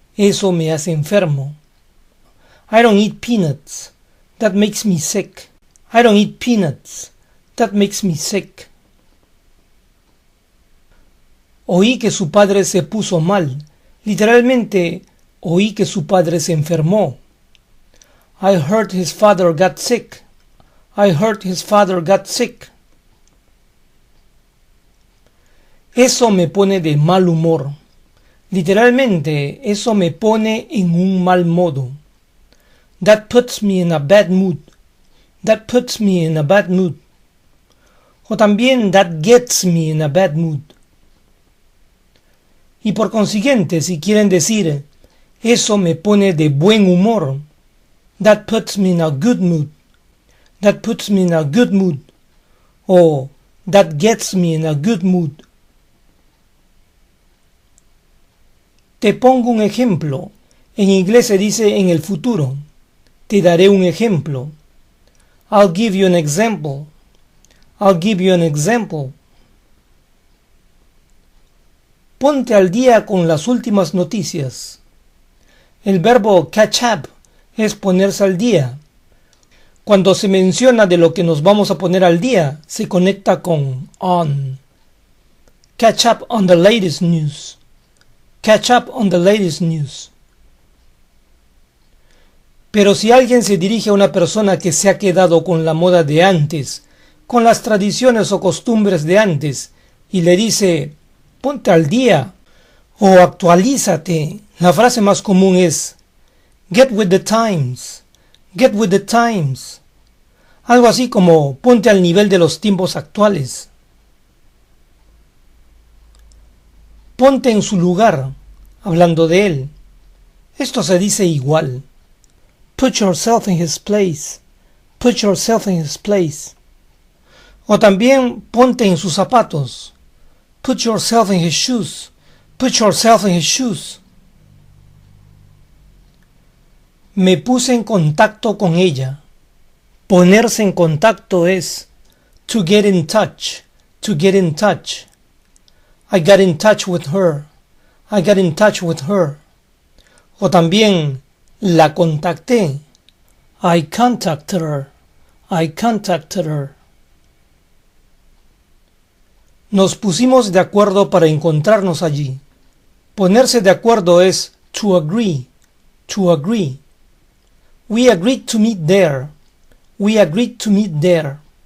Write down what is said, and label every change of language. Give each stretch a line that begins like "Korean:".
Spanish: Eso me hace enfermo.
English: I don't eat peanuts. That makes me sick. I don't eat peanuts. That makes me sick.
Spanish: Oí que su padre se puso mal. Literalmente, oí que su padre se enfermó.
English: I heard his father got sick. I heard his father got sick.
Spanish: Eso me pone de mal humor. Literalmente, eso me pone en un mal modo.
English: That puts me in a bad mood. That puts me in a bad mood.
Spanish: O también,
English: that gets me in a bad mood.
Spanish: Y por consiguiente, si quieren decir, eso me pone de buen humor.
English: That puts me in a good mood. That puts me in a good mood. O, that gets me in a good mood.
Spanish: Te pongo un ejemplo. En inglés se dice en el futuro. Te daré un ejemplo.
English: I'll give you an example. I'll give you an example.
Spanish: Ponte al día con las últimas noticias. El verbo catch up es ponerse al día. Cuando se menciona de lo que nos vamos a poner al día, se conecta con on.
English: Catch up on the latest news. Catch up on the latest news.
Spanish: Pero si alguien se dirige a una persona que se ha quedado con la moda de antes, con las tradiciones o costumbres de antes, y le dice, ponte al día, o actualízate. La frase más común es,
English: get with the times, get with the times.
Spanish: Algo así como, ponte al nivel de los tiempos actuales. Ponte en su lugar, hablando de él. Esto se dice igual.
English: Put yourself in his place, put yourself in his place.
Spanish: O también, ponte en sus zapatos.
English: Put yourself in his shoes. Put yourself in his shoes.
Spanish: Me puse en contacto con ella. Ponerse en contacto es
English: to get in touch. To get in touch. I got in touch with her. I got in touch with her.
Spanish: O también la contacté.
English: I contacted her. I contacted her.
Spanish: Nos pusimos de acuerdo para encontrarnos allí. Ponerse de acuerdo es
English: to agree, to agree. We agreed to meet there. We agreed to meet there.